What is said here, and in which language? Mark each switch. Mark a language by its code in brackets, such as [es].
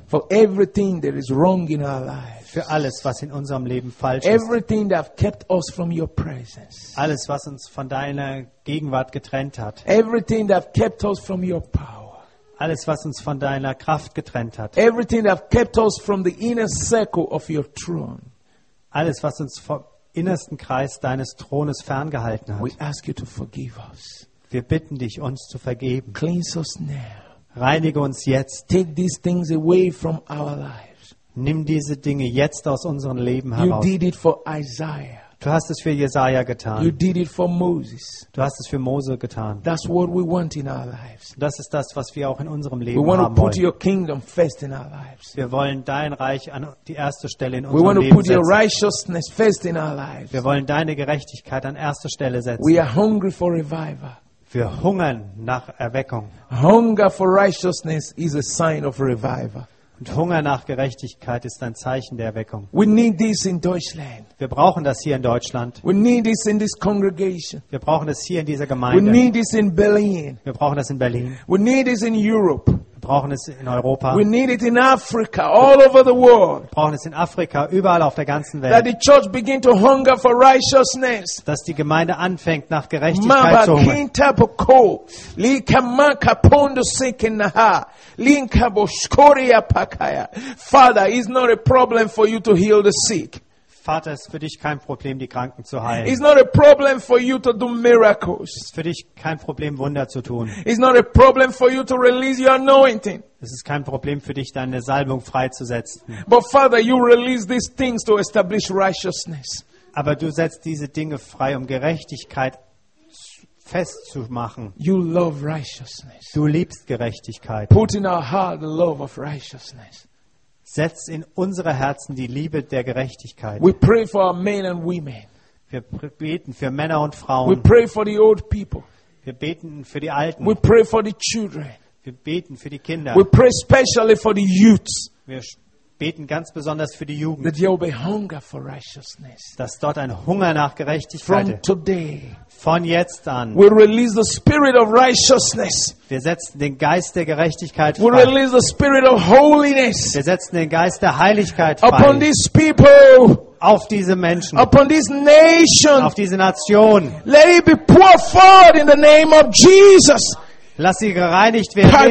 [en] For everything that is wrong in our lives. [de] Für alles, was in unserem Leben falsch ist. [en] Everything that have kept us from your presence. [de] Alles, was uns von deiner Gegenwart getrennt hat. [en] Everything that have kept us from your power. [de] Alles, was uns von deiner Kraft getrennt hat. [en] Everything that kept us from the inner circle of your throne. [de] Alles, was uns vom innersten Kreis deines Thrones ferngehalten hat. [en] We ask you to forgive us. [de] Wir bitten dich, uns zu vergeben. [en] Cleanse us now. [de] Reinige uns jetzt. [en] Take these things away from our lives. [de] Nimm diese Dinge jetzt aus unserem Leben heraus. [en] You did it for Isaiah. [de] Du hast es für Jesaja getan. [en] You did it for Moses. [de] Du hast es für Mose getan. [en] That's what we want in our lives. [de] Das ist das, was wir auch in unserem Leben [en] we [de] haben [en] want to put [de] wollen. [en] Your kingdom first in our lives. [de] Wir wollen dein Reich an die erste Stelle in [en] we [de] unserem [en] want to [de] Leben [en] put [de] setzen. [en] Your righteousness first in our lives. [de] Wir wollen deine Gerechtigkeit an erste Stelle setzen. [en] We are hungry for revival. [de] Wir hungern nach Erweckung. [en] Hunger for righteousness is a sign of revival. [de] Und Hunger nach Gerechtigkeit ist ein Zeichen der Erweckung. [en] We need this in Deutschland. [de] Wir brauchen das hier in Deutschland. [en] We need this in this congregation. [de] Wir brauchen das hier in dieser Gemeinde. [en] We need this in Berlin. [de] Wir brauchen das in Berlin. [en] We need this in Europe. [de] brauchen es in Europa. [en] We need it in Africa, all over the world. [de] Wir brauchen es in Afrika, überall auf der ganzen Welt. [en] That the church begin to hunger for righteousness. [de] Dass die Gemeinde anfängt nach Gerechtigkeit zu hungern. Mabakintapoko, likamaka pondo sekenaha, linkaboskoria pakaya. [en] Father, it's not a problem for you to heal the sick. [de] Vater, es ist für dich kein Problem, die Kranken zu heilen. [en] It's not a problem for you to do miracles. [de] Es ist für dich kein Problem, Wunder zu tun. [en] It's not a problem for you to release your anointing. [de] Es ist kein Problem für dich, deine Salbung freizusetzen. [en] But Father, you release these things to establish righteousness. [de] Aber du setzt diese Dinge frei, um Gerechtigkeit festzumachen. [en] You love righteousness. [de] Du liebst Gerechtigkeit. [en] Put in our heart the love of righteousness. [de] Setz in unsere Herzen die Liebe der Gerechtigkeit. [en] We pray for our men and women. [de] Wir beten für Männer und Frauen. [en] We pray for the old people. [de] Wir beten für die Alten. [en] We pray for the children. [de] Wir beten für die Kinder. [en] We pray specially for the youths. [de] Wir beten ganz besonders für die Jugend. [en] That there will be hunger for righteousness. [de] Dass dort ein Hunger nach Gerechtigkeit [en] from today. [de] Von jetzt an. [en] We release the spirit of righteousness. [de] Wir setzen den Geist der Gerechtigkeit frei. [en] We release the spirit of holiness. [de] Wir setzen den Geist der Heiligkeit frei. [en] Upon these people. [de] Auf diese Menschen. [en] Upon this nation. [de] Auf diese Nation. [en] Let it be poured forth in the name of Jesus. [de] Lass sie gereinigt werden